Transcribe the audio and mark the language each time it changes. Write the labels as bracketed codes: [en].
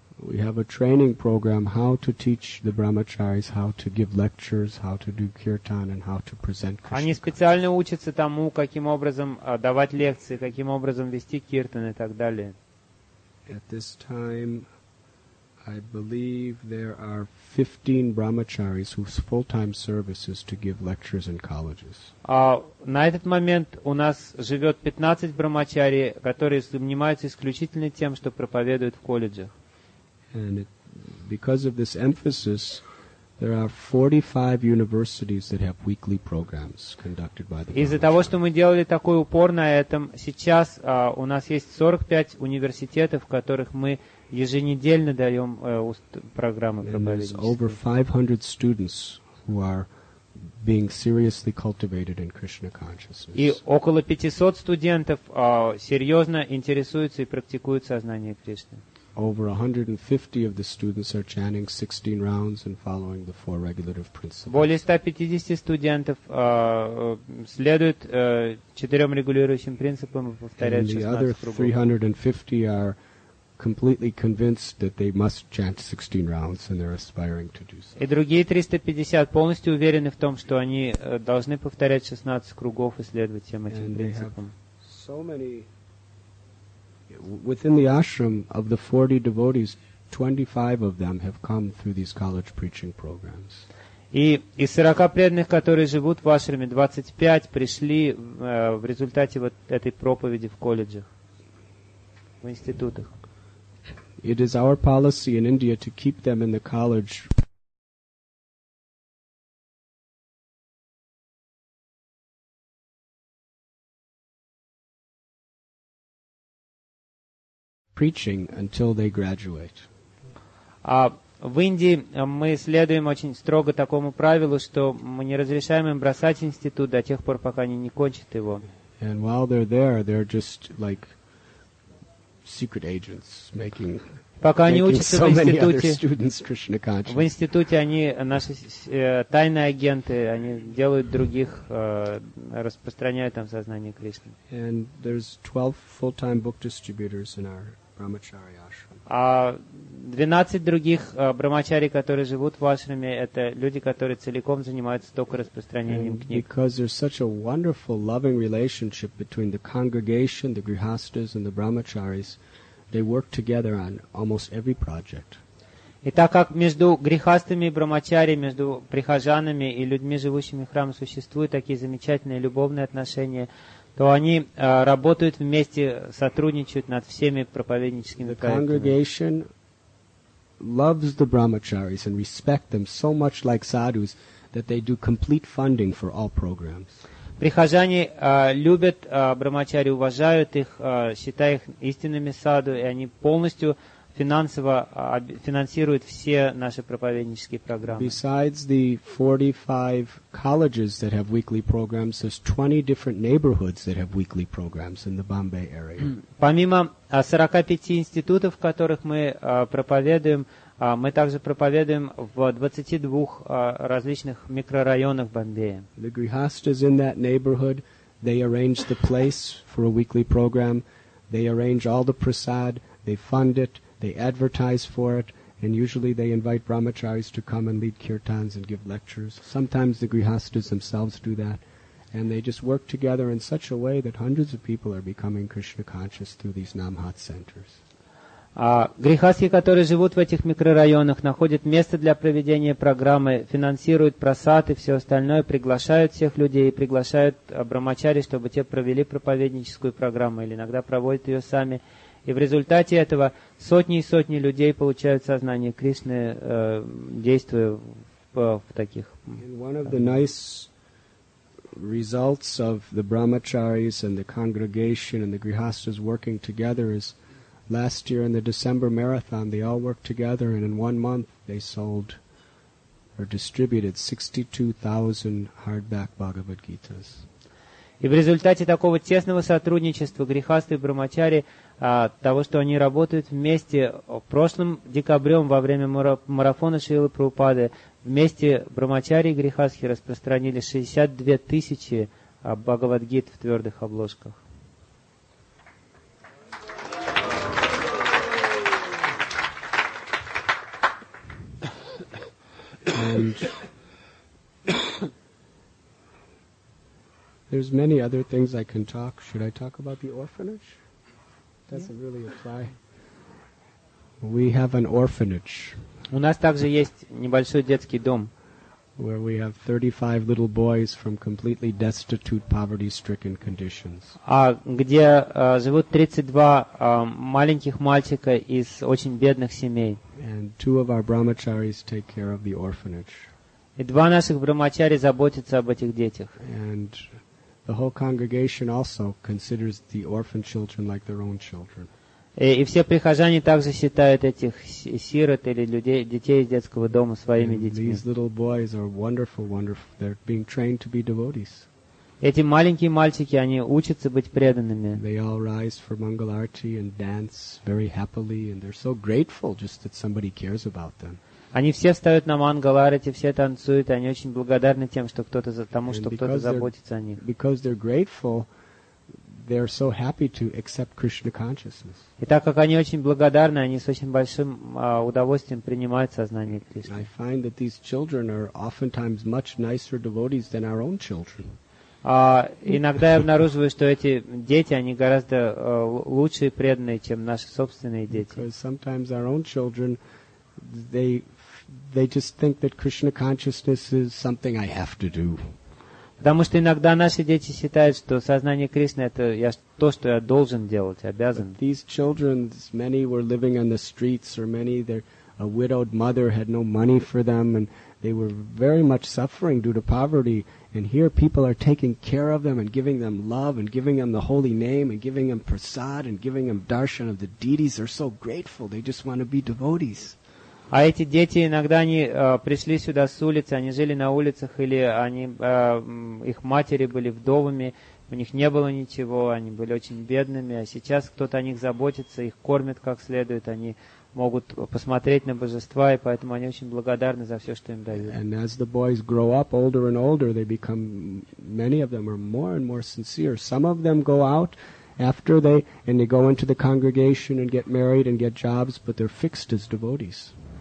[en] We have a training program how to teach the brahmacharis how to give lectures, how to do kirtan, and how to present Krishna. [ru] Они специально учатся тому, каким образом давать лекции, каким образом вести киртан и так далее. [en] At this time, I believe there are 15 brahmacharis whose full-time service is to give lectures in colleges. [ru] На этот момент у нас живет 15 брахмачари, которые занимаются исключительно тем, что проповедуют в колледжах. [en] And because of this emphasis, there are 45 universities that have weekly programs conducted by the. [ru] Из-за того, что мы делали такой упор на этом, сейчас у нас есть 45 университетов, в которых мы еженедельно даем программы проповедовать. [en] There's over 500 students who are being seriously cultivated in Krishna consciousness. [ru] И около 500 студентов серьезно интересуются и практикуют сознание Кришны. [en] Over 150 of the students are chanting 16 rounds and following the four regulative principles. [ru] Более 150 студентов следуют четырем регулирующим принципам и повторяют 16 кругов. [en] And the other 350 are completely convinced that they must chant 16 rounds and they're aspiring to do so. [ru] И другие 350 полностью уверены в том, что они должны повторять 16 кругов и следовать всем этим and принципам. [en] So many. Within the ashram, of the 40 devotees, 25 of them have come through these college preaching programs. [ru] И из 40 преданных, которые живут в ашраме, 25 пришли в результате вот этой проповеди в колледжах, в институтах. [en] It is our policy in India to keep them in the college. Preaching until they graduate. [ru] В Индии мы следуем очень строго такому правилу, что мы не разрешаем им бросать институт до тех пор, пока они не кончат его. [en] And while they're there, they're just like secret agents making. [ru] Пока они учатся so в институте, в институте они наши тайные агенты, они делают других, распространяют там сознание Кришны. [en] And there's 12 full-time book distributors in our Brahmachari ashram. [ru] 12 других брахмачари, которые живут в ашраме, это люди, которые целиком занимаются только распространением and книг. [en] Because there's such a wonderful, loving relationship between the congregation, the grihasthas, and the brahmacharis, they work together on almost every project. [ru] И так как между грехастыми и брахмачарями, между прихожанами и людьми, живущими в храме, существуют такие замечательные любовные отношения, то они работают вместе, сотрудничают над всеми проповедническими проектами. [en] Loves the brahmacharis and respect them so much like sadhus that they do complete funding for all programs. [ru] Прихожане любят брахмачари, уважают их, считают их истинными саду, и они полностью финансово финансируют все наши проповеднические программы. [en] Besides the 45 colleges that have weekly programs, there's 20 different neighborhoods that have weekly programs in the Bombay area. [ru] Помимо 45 институтов, в которых мы проповедуем, мы также проповедуем в 22 различных микрорайонах Бомбея. [en] The grihasthas in that neighborhood, they arrange the place for a weekly program, they arrange all the prasad, they fund it, they advertise for it, and usually they invite brahmacharis to come and lead kirtans and give lectures. Sometimes the grihasthas themselves do that, and they just work together in such a way that hundreds of people are becoming Krishna conscious through these Namhat centers. [ru] Грихасхи, которые живут в этих микрорайонах, находят место для проведения программы, финансируют просад и все остальное, приглашают всех людей и приглашают брахмачари, чтобы те провели проповедническую программу или иногда проводят ее сами. И в результате этого сотни и сотни людей получают сознание Кришны, действуя в таких... [en] One of the nice results of the brahmacharis and the congregation and the grihasthas working together is last year in the December marathon, they all worked together, and in 1 month they sold or distributed 62,000 hardback Bhagavad Gitas. [ru] И в результате такого тесного сотрудничества грихасты и брахмачари, того, что они работают вместе, в прошлом декабре во время марафона Шрилы Прабхупады вместе брахмачари и грихасхи распространили 62 тысячи Бхагавадгит в твердых обложках. [en] There's many other things I can talk. Should I talk about the orphanage? Doesn't really apply. We have an orphanage. [ru] У нас также есть небольшой детский дом. [en] Where we have 35 little boys from completely destitute, poverty-stricken conditions. [ru] Где живут 32 маленьких мальчика из очень бедных семей. [en] And two of our brahmacharis take care of the orphanage. [ru] И два наших брахмачари заботятся об этих детях. [en] And the whole congregation also considers the orphan children like their own children. [ru] И все прихожане также считают этих сирот или людей, детей из детского дома своими детьми. [en] These little boys are wonderful, wonderful. They're being trained to be devotees. [ru] Эти маленькие мальчики, они учатся быть преданными. [en] They all rise for Mangal Arati and dance very happily, and they're so grateful just that somebody cares about them. [ru] Они все встают на Мангаларати, все танцуют, и они очень благодарны тем, что кто-то за тому, что кто-то заботится о них. [en] Because they're grateful, they're so happy to accept Krishna consciousness. [ru] И так как они очень благодарны, они с очень большим удовольствием принимают сознание Кришны. [en] I find that these children are oftentimes much nicer devotees than our own children. [ru] Иногда я обнаруживаю, что эти дети, они гораздо лучше и преданные, чем наши собственные дети. [en] Because sometimes our own children, they just think that Krishna consciousness is something I have to do. [ru] Потому что иногда наши дети считают, что сознание Кришны это я то, что я должен делать, обязан. [en] These children, many were living on the streets, or many their a widowed mother had no money for them, and they were very much suffering due to poverty. And here people are taking care of them and giving them love and giving them the holy name and giving them prasad and giving them darshan of the deities. They're so grateful. They just want to be devotees. [ru] А эти дети иногда они пришли сюда с улицы, они жили на улицах, или они их матери были вдовами, у них не было ничего, они были очень бедными, а сейчас кто-то о них заботится, их кормит как следует, они могут посмотреть на божества, и поэтому они очень благодарны за все, что им дают. [en] And as the boys grow up older and older, they become many of them are more and more sincere. Some of them go out after they go into the congregation and get married and get jobs, but they're fixed as devotees.